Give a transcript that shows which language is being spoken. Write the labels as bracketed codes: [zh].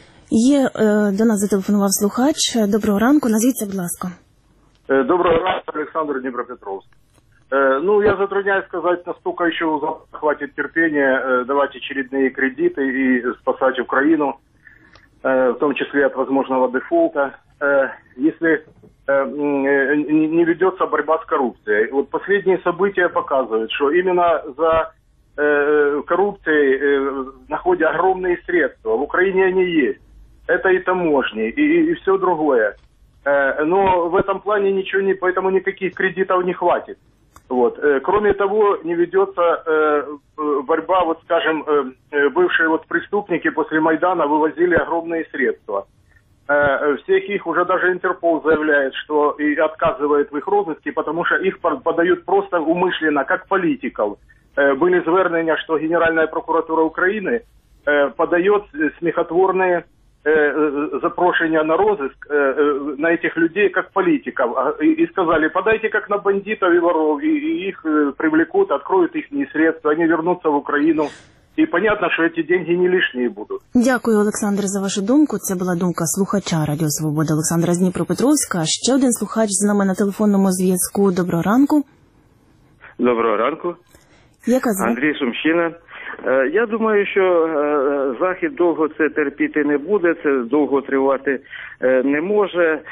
[uk] Є до нас зателефонував слухач. Доброго ранку, назвіться, будь ласка. Доброго ранку, Олександр Дніпропетровський. Ну, я затрудняюсь сказати, настільки ще у Запад хватить терпіння давати чергові кредити і спасати Україну, в тому числі від можливого дефолту. [ru] если не ведется борьба с коррупцией. Вот последние события показывают, что именно за коррупцией находят огромные средства. В Украине они есть. Это и таможни, и все другое. Но в этом плане ничего не... Поэтому никаких кредитов не хватит. Вот. Кроме того, не ведется борьба, вот скажем, бывшие вот преступники после Майдана вывозили огромные средства. Всех их уже даже Интерпол заявляет, что и отказывает в их розыске, потому что их подают просто умышленно, как политиков. Были звернення, что Генеральная прокуратура Украины подает смехотворные запрошення на розыск на этих людей, как политиков. И сказали, подайте как на бандитов и воров, и их привлекут, откроют их средства, они вернутся в Украину. [uk] І понятно, що ці деньги не лишні будуть. Дякую, Олександр, за вашу думку. Це була думка слухача Радіо Свобода Олександра з Дніпропетровська. Ще один слухач з нами на телефонному зв'язку. Доброго ранку. Доброго ранку. Яка звуть? Андрій Сумщина. Я думаю, що Захід довго це терпіти не буде, це довго тривати не може.